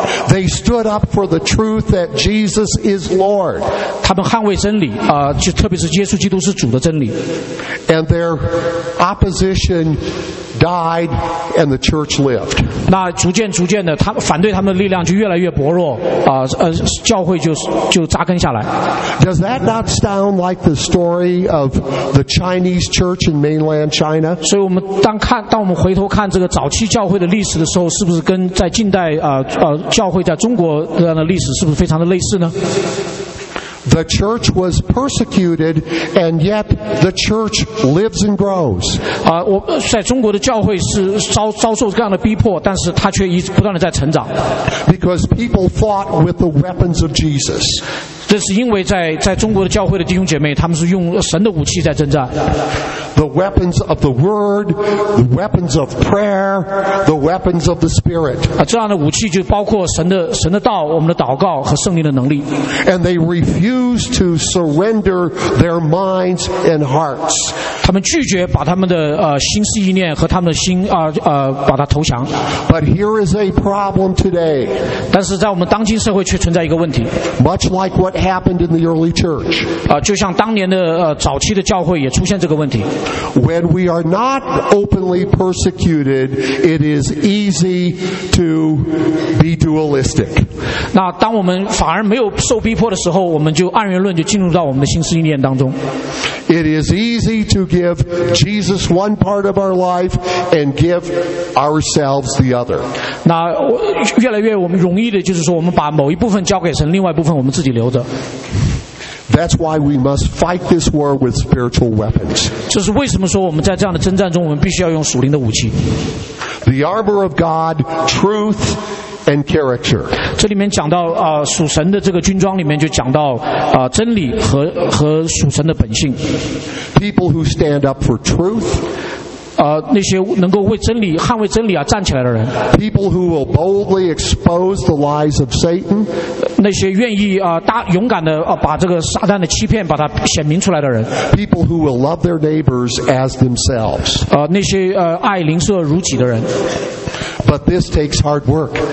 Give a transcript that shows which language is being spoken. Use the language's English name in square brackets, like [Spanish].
[English] They stood up for the truth that Jesus is Lord. [Chinese] 他们捍卫真理，就特别是耶稣基督是主的真理。 [English] And their opposition died, and the church lived. [Chinese] 那逐渐的，他反对他们的力量就越来越薄弱，教会就扎根下来。 [English] Does that not sound like the story of the Chinese church in mainland China? [Chinese] 所以我们当我们回头看这个早期教会的历史的时候，是不是跟在近代教会在中国这样的历史是不是非常的类似呢？ [English] The church was persecuted, and yet the church lives and grows. [Chinese] 在中国的教会是遭受各样的逼迫，但是它却一直不断的在成长。 [English] Because people fought with the weapons of Jesus. [Chinese] 这是因为在中国的教会的弟兄姐妹，他们是用神的武器在征战。 [English] the weapons of the word, the weapons of prayer, the weapons of the spirit. [Chinese] 这样的武器就包括神的道，我们的祷告和圣灵的能力。 [English] And they refuse to surrender their minds and hearts. [Chinese] 他们拒绝把他们的心思意念和他们的心把它投降。 [English] But here is a problem today. [Chinese] 但是在我们当今社会却存在一个问题。 [English] Much like what happened in the early church. [Chinese] 就像当年的早期的教会也出现这个问题。 [English] When we are not openly persecuted, it is easy to be dualistic. [Chinese] 那当我们反而没有受逼迫的时候，我们就二元论就进入到我们的心思意念当中。 [English] It is easy to give Jesus one part of our life and give ourselves the other. [Chinese] 那越来越我们容易的就是说，我们把某一部分交给神，另外一部分我们自己留着。 [English] That's why we must fight this war with spiritual weapons. [Chinese] 这是为什么说我们在这样的征战中，我们必须要用属灵的武器。 [English] The armor of God, truth and character. [Chinese] 这里面讲到属神的这个军装里面就讲到真理和属神的本性。 [English] People who stand up for truth. [Chinese] 那些能够为真理捍卫真理而站起来的人。 [English] People who will boldly expose the lies of Satan. [Chinese] 那些愿意勇敢的把这个撒旦的欺骗把它显明出来的人。 [English] People who will love their neighbors as themselves. [Chinese] 那些爱邻舍如己的人。 [English] But this takes hard work.